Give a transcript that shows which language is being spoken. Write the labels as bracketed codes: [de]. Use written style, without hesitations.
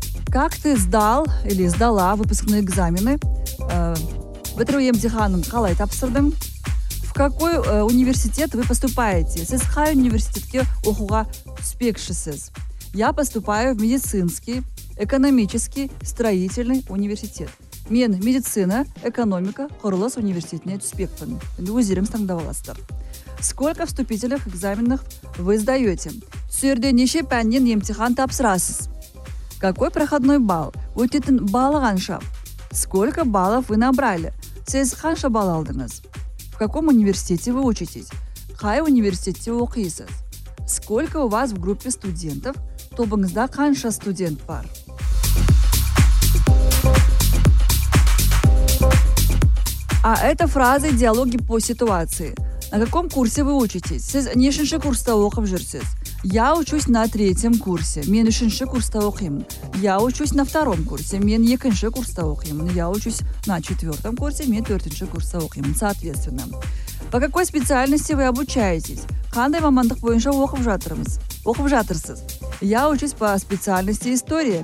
[ru] Как ты сдал или сдала выпускные экзамены? [kk] Бітіру емтиханын қалай тапсырдың? [ru] В какой университет вы поступаете? [kk] Сіз қай университетке оқуға түспекшісіз? [ru] Я поступаю в медицинский, экономический, строительный университет. [kk] Мен медицина, экономика, құрылыс университетіне түспекпін. Өздеріңіз таңдавасыздар. [ru] Сколько вступительных экзаменов вы сдаете? [kk] Сүрде неше пәннен емтихан тапсырасыз? [ru] Какой проходной балл? [kk] Өтетін балы қанша? [ru] Сколько баллов вы набрали? [kk] Сіз қанша балл алдыңыз? [ru] В каком университете вы учитесь? [kk] Қай университетте оқисыз? [ru] Сколько у вас в группе студентов? [kk] Тобыңызда қанша студент бар? [ru] А это фразы диалоги по ситуации. На каком курсе вы учитесь? [kk] Сіз нешінші курста оқып жүрсіз? [ru] Я учусь на третьем курсе. [kk] Мен үшінші курста оқимын. [ru] Я учусь на втором курсе. [kk] Мен екінші курста оқимын. [ru] Я учусь на четвертом курсе. [kk] Мен төртінші курста оқимын. [ru] Соответственно. По какой специальности вы обучаетесь? [kk] Қандай мамандық бойынша оқып жатырмыз? Оқып жатырсыз? [ru] Я учусь по специальности история.